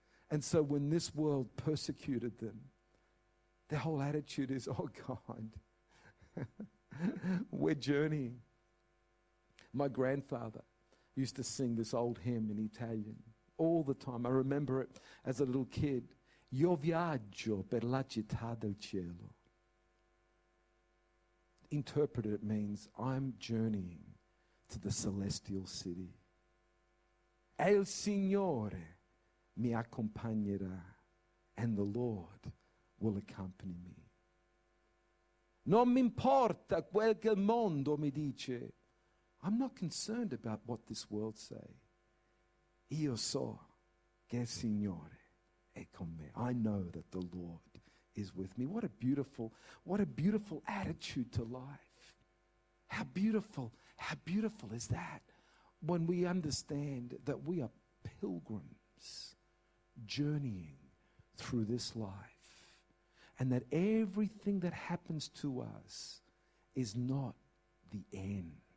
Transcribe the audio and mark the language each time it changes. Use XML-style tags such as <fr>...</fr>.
<en>And so when this world persecuted them, their whole attitude is, oh God, we're journeying. My grandfather used to sing this old hymn in Italian all the time. I remember it as a little kid.</en> <it>Io viaggio per la città del cielo.</it> <en>Interpreted, it means I'm journeying to the celestial city.</en> <it>È il Signore mi accompagnerà,</it> <en>and the Lord will accompany me.</en> <it>Non mi importa quel che il mondo mi dice.</it> <en>I'm not concerned about what this world say.</en> <it>Io so che il Signore è con me.</it> <en>I know that the Lord is with me. What a beautiful attitude to life. How beautiful is that when we understand that we are pilgrims journeying through this life, and that everything that happens to us is not the end.</en>